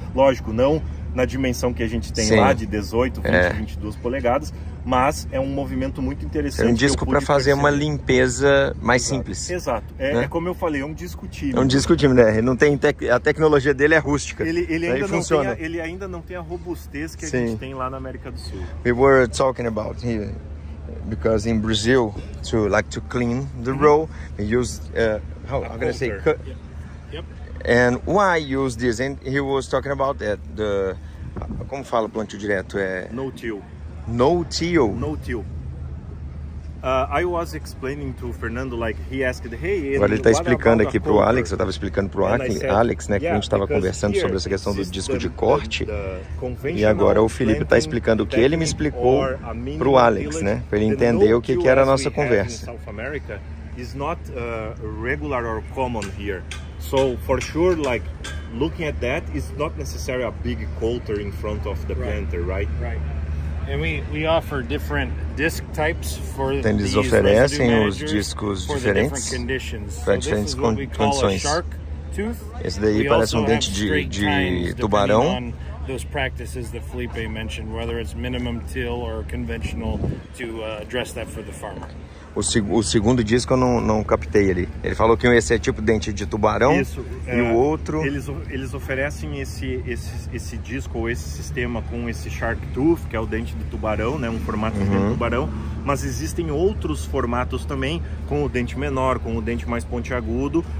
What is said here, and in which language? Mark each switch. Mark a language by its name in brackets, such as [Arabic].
[Portuguese] Lógico, não na dimensão que a gente tem, sim, lá de 18, 20, 22 polegadas, mas é um movimento muito interessante. É um disco para fazer uma limpeza mais, exato, simples. Exato. É, né? É como eu falei, é um disco tímido. É um disco tímido, né? Não tem a tecnologia dele é rústica. Ele ainda funciona. Não tem ele ainda não tem a robustez que, sim, a gente tem lá na América do Sul. [English] We were talking about here, because in Brazil, to like to clean the row, we use, I'm going to say, and why use this? And he was talking about that. The, [Portuguese] como fala plantio direto? [English] No-till. No-till? No-till. I was explaining to Fernando, like, he asked, hey... [Portuguese] Agora ele está explicando aqui para o Alex, eu estava explicando para o Alex, né, que a gente estava conversando sobre essa questão do disco de corte, e agora o Felipe está explicando o que ele me explicou para o Alex, né, para ele entender o que era a nossa conversa. [English] Is not regular or common here. So for sure, like looking at that, it's not necessarily a big coulter in front of the planter, right? Right. And we offer different disc types for then these [Portuguese] oferecem os discos diferentes [English] for the different conditions. [Portuguese] Para diferentes condições. [English] Shark tooth. [Portuguese] Esse daí [English] we [Portuguese] parece um dente de tubarão. [English] Those practices that Felipe mentioned, whether it's minimum till or conventional, to address that for the farmer. [Portuguese] O segundo disco eu não captei ali. Ele falou que um ia ser tipo dente de tubarão. Isso, e o outro... Eles oferecem esse disco ou esse sistema com esse shark tooth, que é o dente de tubarão, né? Um formato de dente de tubarão. Mas existem outros formatos também, com o dente menor, com o dente mais pontiagudo.